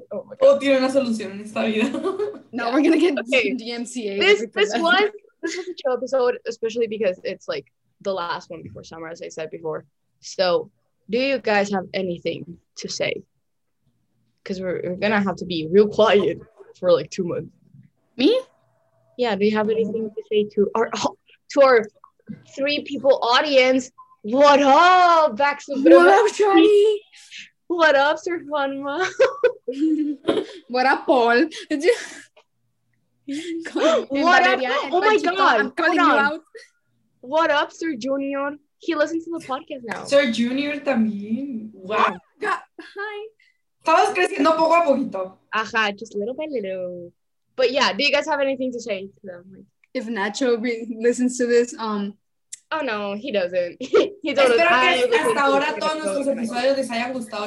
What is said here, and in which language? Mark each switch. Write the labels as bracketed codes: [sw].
[en] Oh, my God. [es] Oh, tiene una solución esta vida. [en] Now we're going to get DMCA. This was a chill episode, especially because it's like the last one before summer, as I said before. So do you guys have anything to say? Because we're going to have to be real quiet for like 2 months. Me? Yeah, do you have anything to say to our three people audience? What up, Vax? What up, Johnny? What up, Sir Funma? What up, Paul? What up? Oh my God! What up, Sir Junior? He listens to the podcast now. Sir Junior, también. Wow. Hi. [es] Estabas creciendo poco a poquito. [en] Ajá, just little by little. But yeah, do you guys have anything to say to them? If Nacho listens to this, Oh no, he doesn't. [es] Espero que hasta ahora todos nuestros episodios les hayan gustado,